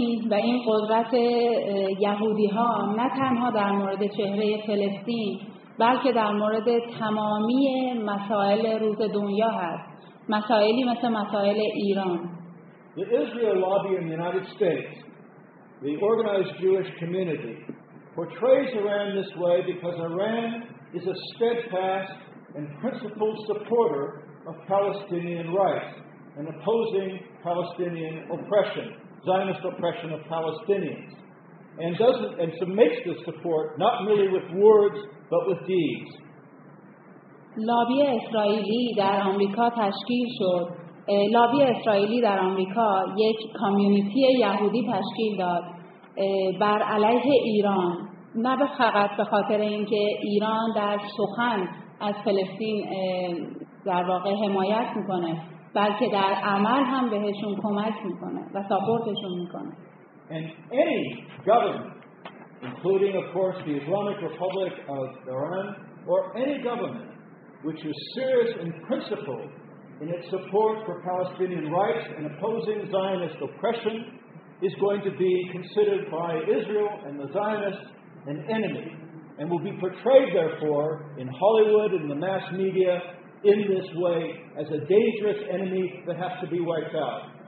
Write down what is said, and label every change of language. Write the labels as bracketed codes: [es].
[fa] و این قدرت یهودی ها نه تنها در مورد چهره فلسطین بلکه در مورد تمامی مسائل روز دنیا هست، مسائلی مثل مسائل ایران. [en] The Israel lobby in the United States, the organized Jewish community, portrays Iran this way because Iran is a steadfast and principled supporter of Palestinian rights and opposing Palestinian oppression, Zionist oppression of Palestinians, and so makes this support not merely with words but with deeds. [fa] لابی اسرائیلی در آمریکا تشکیل شد. لابی اسرائیلی در آمریکا یک کامیونیتی یهودی تشکیل داد بر علیه ایران، نه فقط به خاطر اینکه ایران در سخن از فلسطین در واقع حمایت میکنه، بلکه در عمل هم بهشون کمک میکنه و ساپورتشون میکنه. [en] And any government, including of course the Islamic Republic of Iran, or any government which is serious and principled in its support for Palestinian rights and opposing Zionist oppression, is going to be considered by Israel and the Zionists an enemy, and will be portrayed, therefore, in Hollywood and the mass media in this way as a dangerous enemy that has to be wiped out.